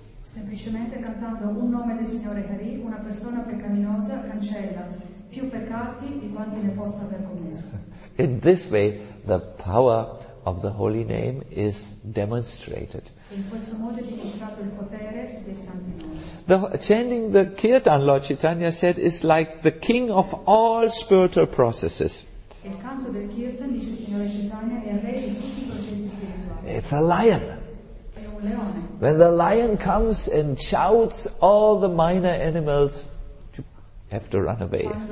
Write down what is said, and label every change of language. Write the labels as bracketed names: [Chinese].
[Italian] Semplicemente cantando un nome del Signore Hari, una persona peccaminosa cancella più peccati di quanti ne possa aver commessi. [English] In this way, the power of the holy name is demonstrated. [Italian] In questo modo è dimostrato il potere dei santi nomi. [English] The chanting the kirtan, Lord Chaitanya said, is like the king of all spiritual processes. [Italian] Il canto del kirtan, dice il Signore Chaitanya, è re di tutti i processi spirituali. [English] It's a lion. When the lion comes and shouts, all the minor animals have to run away.